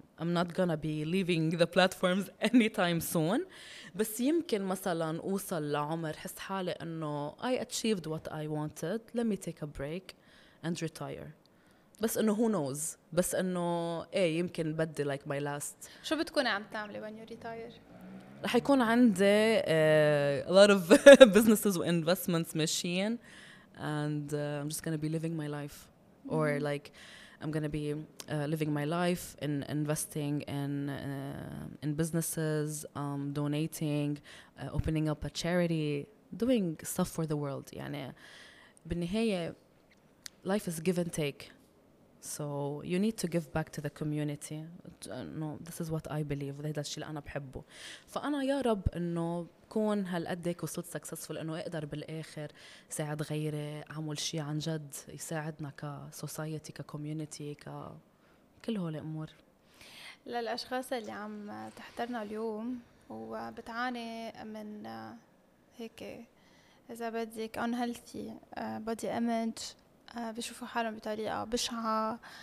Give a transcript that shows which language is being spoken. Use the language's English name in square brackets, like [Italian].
[English] I'm not gonna be leaving the platforms anytime soon. [Arabic] بس يمكن مثلا أوصل لعمر حس حالي أنه [English] I achieved what I wanted. Let me take a break and retire. [Arabic] بس انه [English] who knows, [Arabic] بس انه ايه يمكن بدي [English] like my last. [Arabic] شو بتكون عم تعملي [English] when you retire? [Arabic] رح يكون عندي [English] a lot of businesses and investments machine and I'm just gonna be living my life. Mm-hmm. Or like I'm gonna be living my life in investing in businesses, donating, opening up a charity, doing stuff for the world. [Arabic] يعني بالنهاية [English] life is give and take. So you need to give back to the community. No, this is what I believe. [Arabic] هذا الشيء اللي أنا بحبه. فأنا يا رب إنه كون هالقد هيك وصلت successful إنه أقدر بالآخر ساعد غيري, أعمل شيء عن جد يساعدنا ك society, ك community, ك كل هول الأمور. للأشخاص اللي عم تحضرنا اليوم وبتعاني من هيك إذا بدك [English] unhealthy body image, [Arabic] بيشوفوا حالهم بطريقة بشعة,